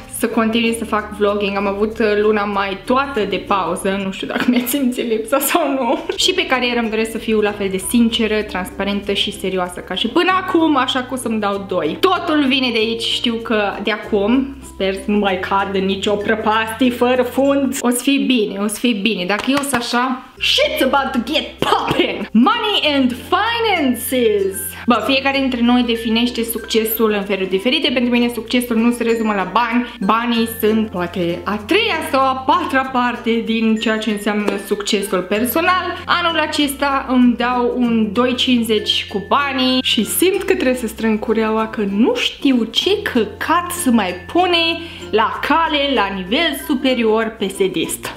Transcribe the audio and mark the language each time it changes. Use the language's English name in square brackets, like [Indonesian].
[Romanian] să continui să fac vlogging. Am avut luna mai toată de pauză, nu știu dacă mi-ați simțit lipsa sau nu. Și pe carieră îmi doresc să fiu la fel de sinceră, transparentă și serioasă ca și până acum, așa că o să-mi dau 2. Totul vine de aici, știu că de acum, sper să nu mai cad în nicio prăpastie fără fund. O să fii bine, o să fii bine, dacă eu sunt așa... [English] Shit's about to get popping! Money and finances! [Romanian] Bă, fiecare dintre noi definește succesul în feluri diferite. Pentru mine succesul nu se rezumă la bani. Banii sunt poate a treia sau a patra parte din ceea ce înseamnă succesul personal. Anul acesta îmi dau un 2,50 cu banii și simt că trebuie să strâng cureaua că nu știu ce căcat să mai pune la cale, la nivel superior PSD-ist.